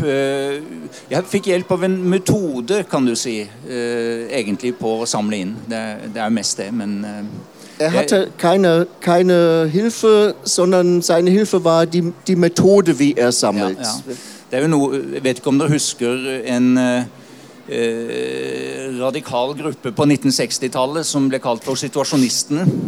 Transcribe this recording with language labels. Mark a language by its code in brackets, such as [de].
[no] Jeg fikk hjelp av en metode, kan du si, egentlig på å samle inn. Det er mest det, men... [de] Er hatte keine Hilfe, sondern seine Hilfe war die Methode, wie er sammelt. [no] Ja, ja. Det er jo noe, jeg vet ikke om du husker en... radikal gruppe på 1960-tallet som ble kalt for situasjonistene.